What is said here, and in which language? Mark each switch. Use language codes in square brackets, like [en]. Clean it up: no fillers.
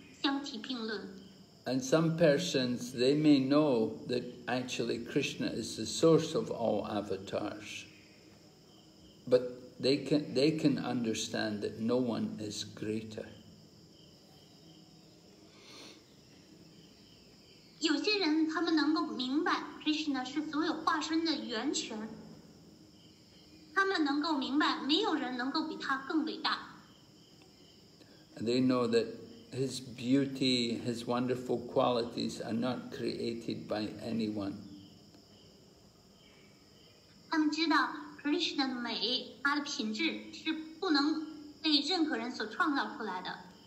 [en] And some persons, they may know that actually Krishna is the source of all avatars, but they can understand that no one is greater. [zh] 有些人他们能够明白 Krishna 是所有化身的源泉，他们能够明白没有人能够比他更伟大。 [en] They know that. His beauty, his wonderful qualities are not created by anyone. [zh] 他们知道 Krishna 的美，他的品质是不能被任何人所创造出来的。